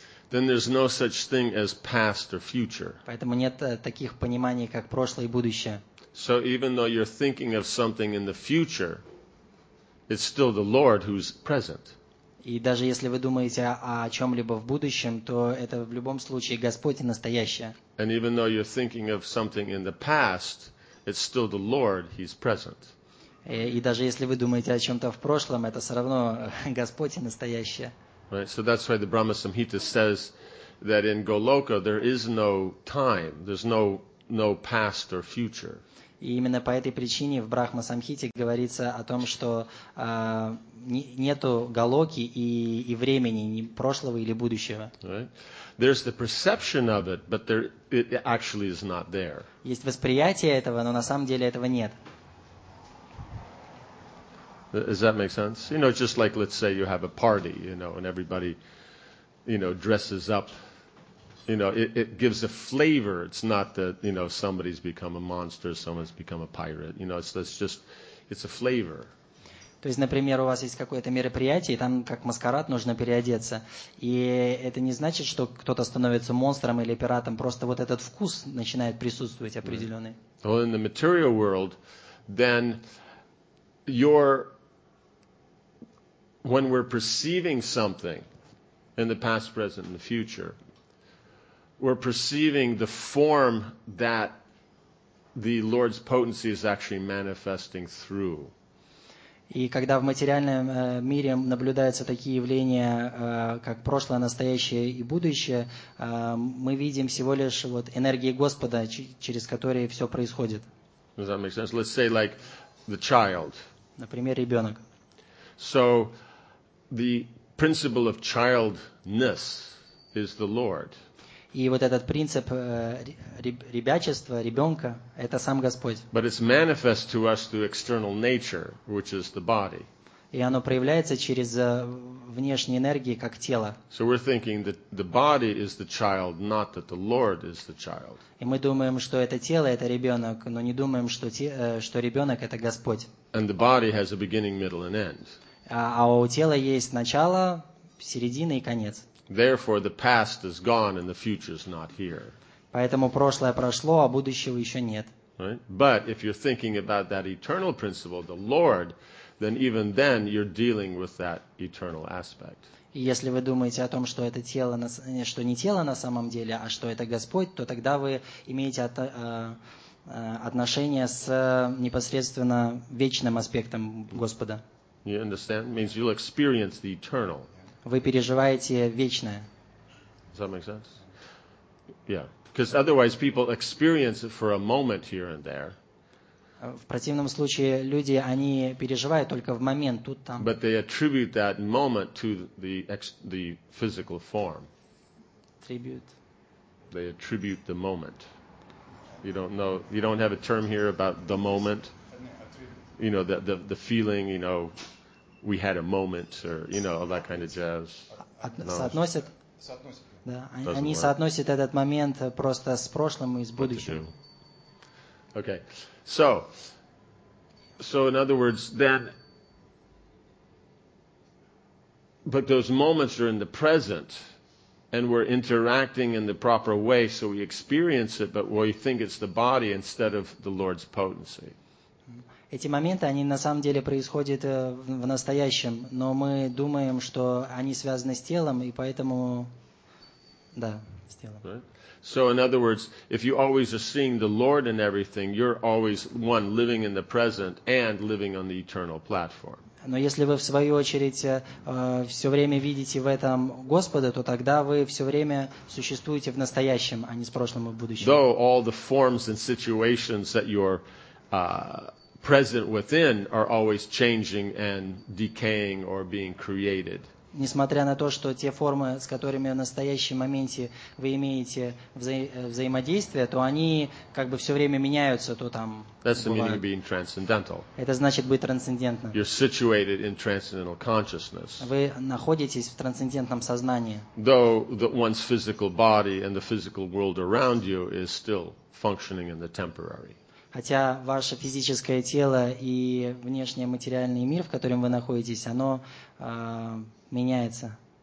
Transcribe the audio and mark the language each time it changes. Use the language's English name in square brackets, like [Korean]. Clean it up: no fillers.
[English] Then there's no such thing as past or future. [Russian] Поэтому нет таких пониманий, как прошлое и будущее. [English] So even though you're thinking of something in the future, it's still the Lord who's present. [Russian] И даже если вы думаете о чем-либо в будущем, то это в любом случае Господь настоящее. [English] And even though you're thinking of something in the past, it's still the Lord, he's present. [Russian] И даже если вы думаете о чем-то в прошлом, это все равно Господь и настоящее. [English] Right, so that's why the Brahma Samhita says that in Goloka there is no time, there's no past or future. [Russian] И именно по этой причине в Брахма-самхите говорится о том, что нету галоки и времени, ни прошлого или будущего. [English] There's the perception of it, but there, it actually is not there. [Russian] Есть восприятие этого, но на самом деле этого нет. [English] Does that make sense? You know, just like, let's say, you have a party, you know, and everybody, you know, dresses up. You know, it gives a flavor. It's not that, you know, somebody's become a monster, someone's become a pirate. You know, it's a flavor. [Russian] То есть, например, у вас есть какое-то мероприятие, и там как маскарад нужно переодеться. И это не значит, что кто-то становится монстром или пиратом. Просто вот этот вкус начинает присутствовать определенный. [English] Right. Well, in the material world, then your when we're perceiving something in the past, present, and the future, we're perceiving the form that the Lord's potency is actually manifesting through. [Russian] И когда в материальном мире наблюдаются такие явления, как прошлое, настоящее и будущее, мы видим всего лишь вот энергии Господа, через которые все происходит. [English] Does that make sense? Let's say like the child. [Russian] Например, ребенок. [English] So the principle of childness is the Lord. [Russian] И вот этот принцип ребячества, ребенка, это сам Господь. [English] But it's manifest to us through external nature, which is the body. [Russian] И оно проявляется через внешние энергии, как тело. [English] So we're thinking that the body is the child, not that the Lord is the child. [Russian] И мы думаем, что это тело, это ребенок, но не думаем, что, что ребенок, это Господь. [English] And the body has a beginning, middle, and end. [Russian] А у тела есть начало, середина и конец. [English] Therefore, the past is gone and the future is not here. [Russian] Поэтому прошлое прошло, а будущего еще нет. [English] Right? But if you're thinking about that eternal principle, the Lord, then even then you're dealing with that eternal aspect. [Russian] Если вы думаете о том, что это тело, что не тело на самом деле, а что это Господь, то тогда вы имеете отношение с непосредственно вечным аспектом Господа. [English] You understand? It means you'll experience the eternal. [Russian] Вы переживаете вечное. [English] Does that make sense? Yeah. Because otherwise people experience it for a moment here and there. [Russian] В противном случае люди, они переживают только в момент, тут, там. [English] But they attribute that moment to the physical form. Tribute. They attribute the moment. You don't know, you don't have a term here about the moment. You know, the feeling, you know, we had a moment, or, you know, all that kind of jazz. [Russian] Соотносят? Да. Они соотносят этот момент просто с прошлым и с будущим. [English] Okay. So in other words, then, but those moments are in the present, and we're interacting in the proper way, so we experience it, but we think it's the body instead of the Lord's potency. [Russian] Эти моменты, они на самом деле происходят в настоящем, но мы думаем, что они связаны с телом, и поэтому, да, с телом. [English] So, in other words, if you always are seeing the Lord in everything, you're always, one, living in the present and living on the eternal platform. [Russian] Но если вы, в свою очередь, все время видите в этом Господа, то тогда вы все время существуете в настоящем, а не с прошлым и будущим. [English] Though all the forms and situations that you're present within are always changing and decaying or being created. [Russian] Несмотря на то, что те формы, с которыми в настоящий моменте вы имеете взаимодействие, то они как бы все время меняются, то там. [English] That's the meaning of being transcendental. [Russian] Это значит быть трансцендентным. [English] You're situated in transcendental consciousness. [Russian] Вы находитесь в трансцендентном сознании. [English] Though the one's physical body and the physical world around you is still functioning in the temporary. [Russian] Хотя ваше физическое тело и внешний материальный мир, в котором вы находитесь, оно меняется.